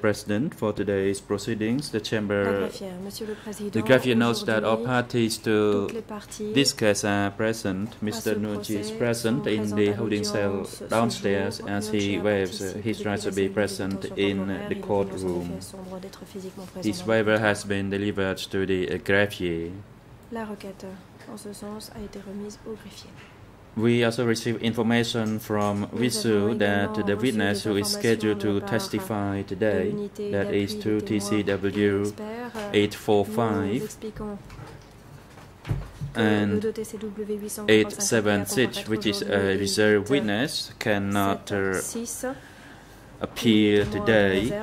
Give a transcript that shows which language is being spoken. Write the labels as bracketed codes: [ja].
[en] President, for today's proceedings, the chamber. The greffier notes that all parties to this case are present. Mr. Nunchi is present in the holding cell downstairs as he waives his right to be present in the courtroom. His waiver has been delivered to the greffier. [fr] La requête en ce sens a été remise au greffier. [en] We also received information from Visu that the witness who is scheduled to testify today, that is 2TCW845 and 876, which is a reserve witness, cannot appear today.